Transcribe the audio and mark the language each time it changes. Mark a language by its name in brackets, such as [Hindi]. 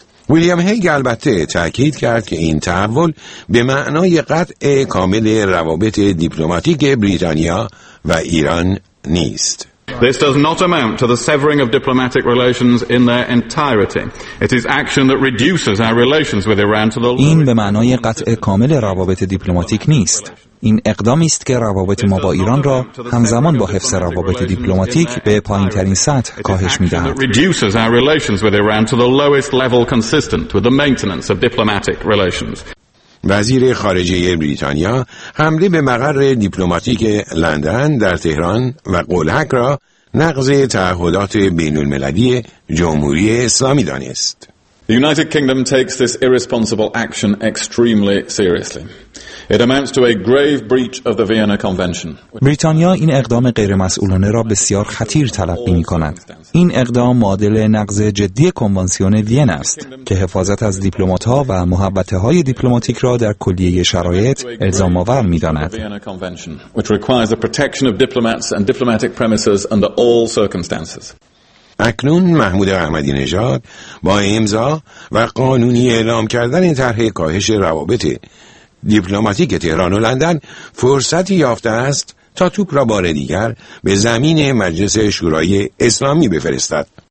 [Persian] ویلیام هیگ البته تأکید کرد که این تحول به معنای قطع کامل روابط دیپلماتیک بریتانیا و ایران نیست. [English] This does not amount to the severing of diplomatic relations in their entirety. It is action that reduces our relations with Iran to the lowest. [Persian] این به معنای قطع کامل روابط دیپلماتیک نیست. این اقدامی است که روابط ما با ایران را همزمان با حفظ روابط دیپلماتیک به پایین‌ترین سطح کاهش می‌دهد. [English] It reduces our relations with Iran to the lowest level consistent with the maintenance of diplomatic relations. [Persian] وزیر خارجه بریتانیا حمله به مقر دیپلماتیک لندن در تهران و قلهک را نقض تعهدات بین المللی جمهوری اسلامی دانست. [English] The United Kingdom takes this irresponsible action extremely seriously. It amounts to a grave breach of the Vienna Convention. [Persian] بریتانیا این اقدام غیرمسئولانه را بسیار خطیر تلقی می‌کند. این اقدام معادل نقض جدی کنوانسیون وین است که حفاظت از دیپلمات‌ها و محوطه‌های دیپلماتیک را در کلیه شرایط الزام‌آور می‌داند. [English] Which requires the protection of diplomats and diplomatic premises under all circumstances. [Persian] اکنون محمود احمدی نژاد با امضا و قانونی اعلام کردن طرح کاهش روابط دیپلماتیک تهران و لندن فرصتی یافته است تا توپ را بار دیگر به زمین مجلس شورای اسلامی بفرستد.